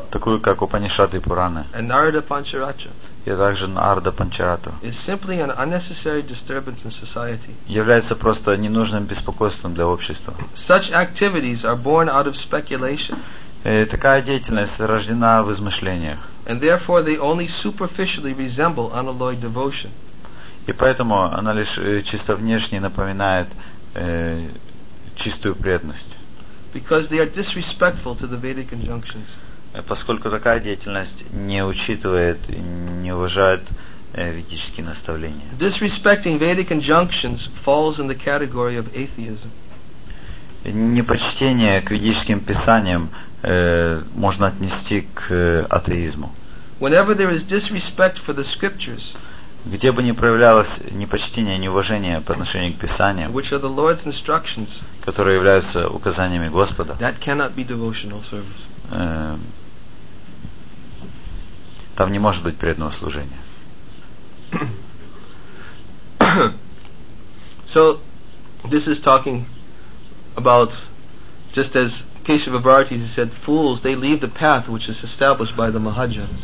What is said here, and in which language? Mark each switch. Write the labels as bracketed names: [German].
[Russian] Такую, как Упанишады и Пураны. [English] And Narada Pancharatra. [Russian] И также Нарда Панчарату. [English] Is simply an unnecessary disturbance in society. [Russian] Является просто ненужным беспокойством для общества. [English] Such activities are born out of speculation. [Russian] Такая деятельность рождена в измышлениях. [English] And therefore they only superficially resemble unalloyed devotion. [Russian] И поэтому она лишь чисто внешне напоминает чистую преданность. [English] Because they are disrespectful to the Vedic injunctions. [Russian] Поскольку такая деятельность не учитывает и не уважает ведические наставления. [English] Disrespecting Vedic injunctions falls in the category of atheism. [Russian] Непочтение к ведическим писаниям можно отнести к атеизму. [English] Whenever there is disrespect for the scriptures, [Russian] где бы ни проявлялось непочтение, неуважение по отношению к писаниям, [English] which are the Lord's instructions, [Russian] которые являются указаниями Господа, [English] that cannot be devotional service. [Russian] Там не может быть преданного служения. [English] So this is talking about just as Keshava Bharati said, fools, they leave the path which is established by the Mahajans.